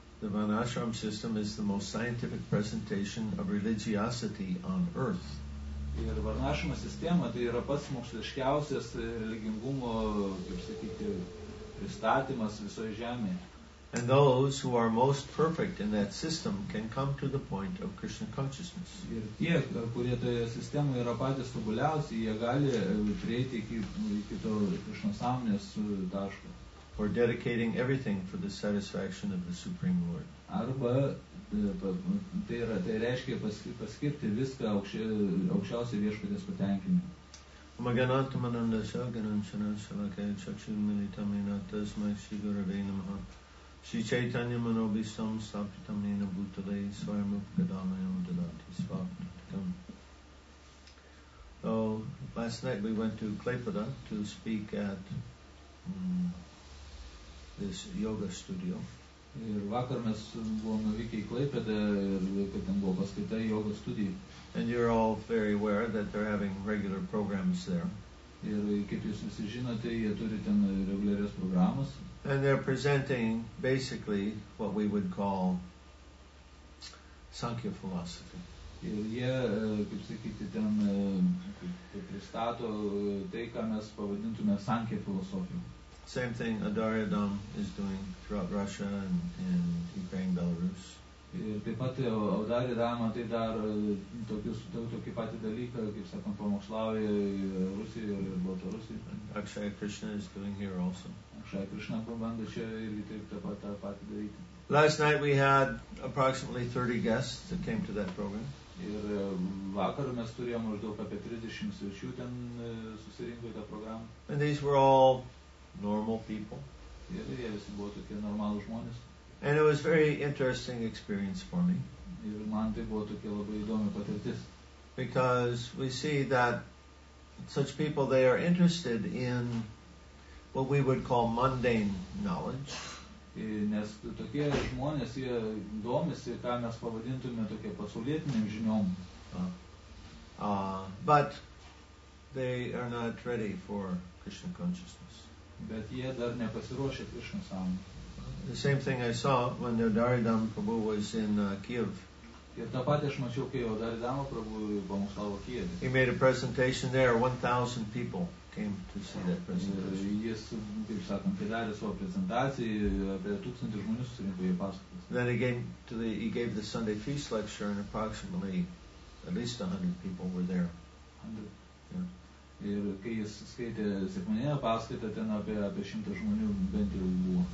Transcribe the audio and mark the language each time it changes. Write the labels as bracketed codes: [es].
[en] The Vanashram system is the most scientific presentation of religiosity on earth. [lt] Ir Varnašama sistema tai yra pats moksliškiausias religingumo, kaip sakyti, pristatymas visoje žemėje. [en] And those who are most perfect in that system can come to the point of Krishna consciousness. [lt] Ir tie, kurie toje sistemoje yra patys tobuliausi, jie gali prieiti iki to Krishna sąmonės taško. [en] For dedicating everything for the satisfaction of the Supreme Lord. [lt] Arba tai reiškia paskirti viską aukščiausiai viešpaties patenkinimui. [sa] Omaganata mananda shaganansana shalakaya chakshunmilita minatasmai shigurave namaha. Shri Chaitanya manobisam sapitam nena bhutale swayamupagadamayam dadati svapitam. [en] So, last night we went to Kleipada to speak at this yoga studio. [lt] Ir vakar mes buvome nuvykę į Kleipadą ir kad ten buvo paskaita yoga studija. [en] And you're all very aware that they're having regular programs there. [lt] Ir kaip jūs visi žinote, jie turi ten reguliarias programas. [en] And they're presenting basically what we would call Sankhya philosophy. [lt] Ir jie, kaip sakyti, ten pristato tai, ką mes pavadintume Sankhya filosofiju. [en] Same thing Adarya Dham is doing throughout Russia and Ukraine, Belarus. [lt] Ir taip pat Audarį Ramą tai dar tokį patį dalyką, kaip sakant, pamokslauja Rusijoje ir Baltarusijoje. [en] Akshaya Krishna is doing here also. [lt] Akshaya Krishna pabandė čia ir taip pat tą patį daryti. [en] Last night we had approximately 30 guests that came to that program. [lt] Ir vakar mes turėjom maždaug apie 30 svečių ten susirinko į tą programą. [en] And these were all normal people. [lt] Ir jie visi buvo tokie normalų žmonės. [en] And it was a very interesting experience for me. [lt] Ir man tai buvo tokia labai įdomi patirtis. [en] Because we see that such people, they are interested in what we would call mundane knowledge. [lt] Nes tokie žmonės, jie domisi, ką mes pavadintume tokie pasaulietinėm žiniom. [en] But they are not ready for Krishna consciousness. [lt] Bet jie dar nepasiruošė Krishna sąmonė. [en] The same thing I saw when Audarya Dham Prabhu was in Kiev. [lt] Ir tą patį aš mačiau, kai Audarya Dham Prabhu pamokslavo Kijeve. [en] He made a presentation there. 1,000 people came to see that presentation. [lt] Jis, kaip sakant, padarė savo prezentaciją, apie 1,000 žmonių susirinko į paskaitas. [en] Then he gave the Sunday feast lecture and approximately at least 100 people were there. 100. [lt] Yeah. Ir kai jis skaitė sekmadieninę paskaitą, ten apie 100 žmonių bent jau buvo.